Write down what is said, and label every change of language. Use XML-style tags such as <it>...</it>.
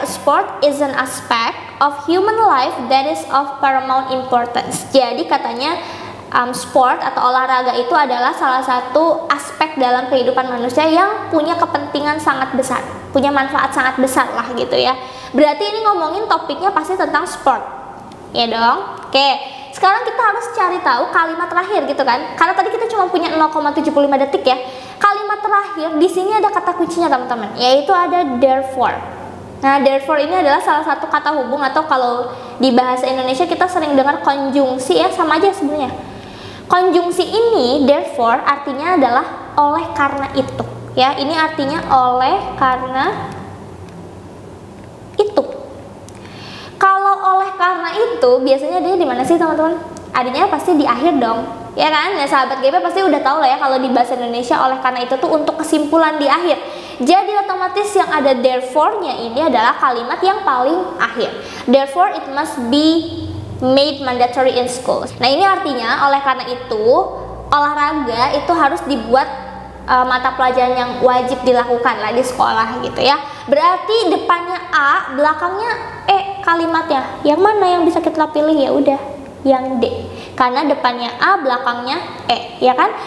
<en>A sport is an aspect of human life that is of paramount importance.</en> <id>Jadi katanya sport atau olahraga itu adalah salah satu aspek dalam kehidupan manusia yang punya kepentingan sangat besar, punya manfaat sangat besar lah gitu ya. Berarti ini ngomongin topiknya pasti tentang sport ya dong. Oke, sekarang kita harus cari tahu kalimat terakhir gitu kan, karena tadi kita cuma punya 0,75 detik ya. Kalimat terakhir di sini ada kata kuncinya teman-teman, yaitu ada therefore. Nah, therefore ini adalah salah satu kata hubung, atau kalau di bahasa Indonesia kita sering dengar konjungsi ya, sama aja sebenarnya. Konjungsi ini therefore artinya adalah oleh karena itu ya, ini artinya oleh karena itu. Kalau oleh karena itu biasanya adanya di mana sih teman-teman? Adanya pasti di akhir dong ya kan. Nah, sahabat GP pasti udah tahu lah ya kalau di bahasa Indonesia oleh karena itu tuh untuk kesimpulan di akhir. Jadi otomatis yang ada therefore-nya ini adalah kalimat yang paling akhir.</id> <en>Therefore it must be made mandatory in schools.</en> <id>Nah, ini artinya oleh karena itu olahraga itu harus dibuat mata pelajaran yang wajib dilakukan lah di sekolah gitu ya. Berarti depannya A, belakangnya E kalimatnya. Yang mana yang bisa kita pilih? Ya udah, yang D. Karena depannya A, belakangnya E, ya kan?</id>